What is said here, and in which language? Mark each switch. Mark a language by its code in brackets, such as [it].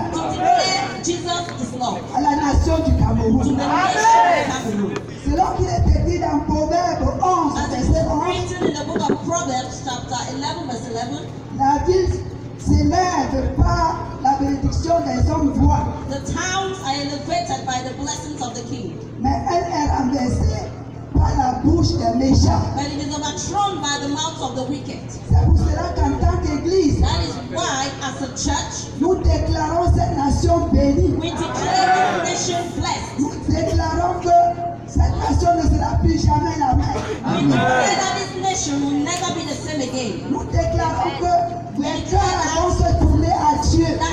[en] To declare Jesus is Lord. [fr] À la nation du Cameroun. [en] To the nation of Cameroun. [fr] Selon qu'il est écrit dans Proverbes 11, verset 11. [en] As it is written in the book of Proverbs, chapter 11, verse 11. [fr] La ville s'élève par la bénédiction des hommes droits. [en] The towns are elevated by the blessings of the king. [fr] Mais elle est renversée par la bouche des méchants. [en] But it is overthrown by the mouth of the wicked. [fr] C'est pour cela qu'en tant qu'église, [en] that is why, as a church, [fr] nous déclarons cette nation bénie. [en] We declare the nation blessed. [fr] Nous déclarons que cette nation ne sera plus jamais la même. Amen. [en] We declare that this nation will never be the same again. [fr] Nous déclarons que les cœurs vont se tourner à Dieu.